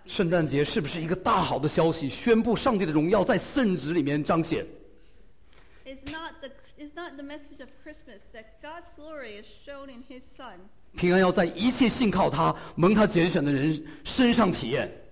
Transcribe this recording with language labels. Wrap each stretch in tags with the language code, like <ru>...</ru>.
<zh>圣诞节是不是一个大好的消息，宣布上帝的荣耀在圣旨里面彰显？</zh> <en>It's not the message of Christmas that God's glory is shown in His Son.</en> <zh>平安要在一切信靠他、蒙他拣选的人身上体验。</zh>